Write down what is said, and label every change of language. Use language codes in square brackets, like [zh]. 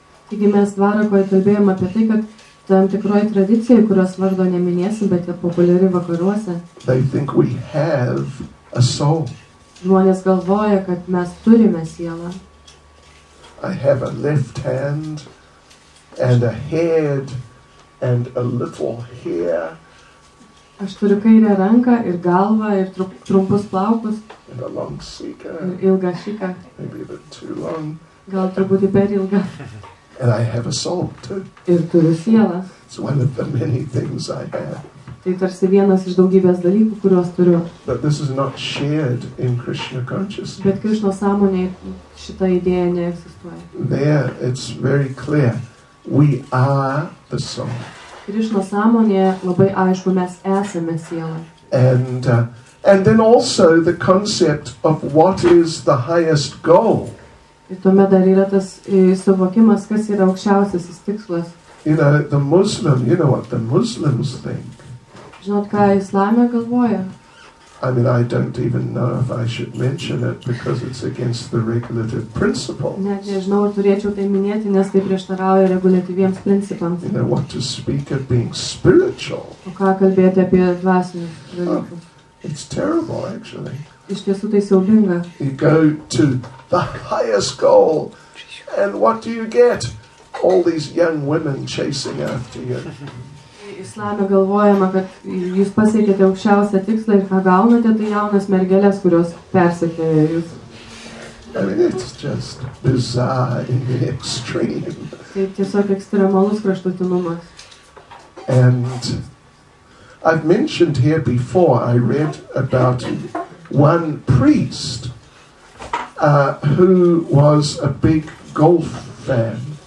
[lt] Taigi mes Dvarakoje kalbėjom apie tai, kad tam tikroji tradicija, kurios vardo neminėsim, bet yra populiari vakaruose. [en] They think we have a soul. [lt] Žmonės galvoja, kad mes turime sielą. [en] I have a left hand and a head and a little hair. [lt] Aš turiu kairę ranką ir galvą ir trumpus plaukus. [en] And a long sika. [lt] Ir ilgą šiką. [en] Maybe a bit too long. [lt] Gal truputį per ilgą. [en] And I have a soul too. [lt] Ir turiu sielą. [en] It's one of the many things I have. [lt] Tai tarsi vienas iš daugybės dalykų, kuriuos turiu. [en] But this is not shared in Krishna consciousness. [lt] Bet Krishna sąmonėje šita idėja neegzistuoja. [en] There it's very clear. We are the soul. [lt] Krishna sąmonėje labai aišku, mes esame siela. [en] And then also the concept of what is the highest goal. [lt] Ir tuomet dar yra tas suvokimas, kas yra aukščiausiasis tikslas. [en] You know, the Muslim, you know what the Muslims think. [lt] Žinot, ką islame galvoja? [en] I mean, I don't even know if I should mention it because it's against the regulative principles. [lt] Net nežinau, turėčiau tai minėti, nes tai prieštarauja reguliatyviems principams. [en] You know, what to speak of being spiritual. [lt] O ką kalbėti apie dvasinius dalykus? [en] It's terrible, actually. [lt] Iš tiesų, tai siaubinga. [en] You go to the highest goal, and what do you get? All these young women chasing after you. [lt] Islame galvojama, kad jūs pasiekėte aukščiausią tikslą ir ką gaunate, tai jaunas mergelės, kurios persekėjo jūs. [en] I mean, it's just bizarre in the extreme. [lt] Tai tiesiog ekstremalus kraštutinumas. [en] And I've mentioned here before, I read about one priest who was a big golf fan.